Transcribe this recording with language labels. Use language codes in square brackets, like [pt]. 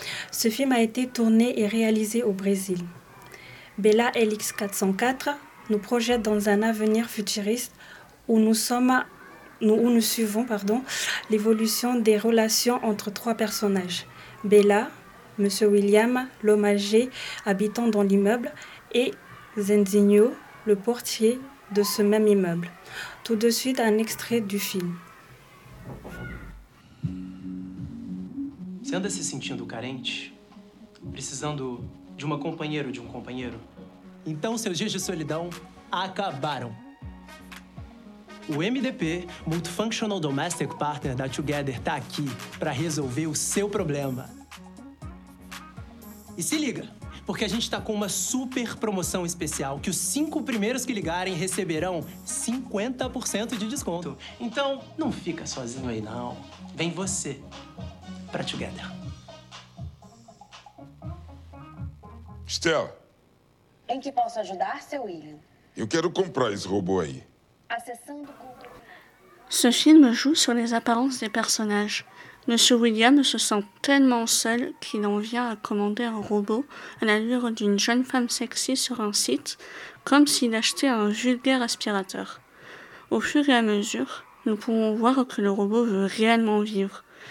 [fr] Ce film a été tourné et réalisé au Brésil. Bella LX404 nous projette dans un avenir futuriste où nous suivons l'évolution des relations entre trois personnages. Bella, Monsieur William, l'homme âgé habitant dans l'immeuble, et Zenzinho, le portier de ce même immeuble. Tout de suite, un extrait du film. [pt] Você anda se sentindo carente? Precisando de uma companheira ou de um companheiro? Então seus dias de solidão acabaram. O MDP, Multifunctional Domestic Partner da Together, tá aqui para resolver o seu problema. E se liga, porque a gente tá com uma super promoção especial que os 5 primeiros que ligarem receberão 50% de desconto. Então, não fica sozinho aí, não. Vem você pra Together. Stella. Em que posso ajudar, seu William? Eu quero comprar esse robô aí. [fr] Ce film joue sur les apparences des personnages. Monsieur William se sent tellement seul qu'il en vient à commander un robot à l'allure d'une jeune femme sexy sur un site, comme s'il achetait un vulgaire aspirateur. Au fur et à mesure, nous pouvons voir que le robot veut réellement vivre.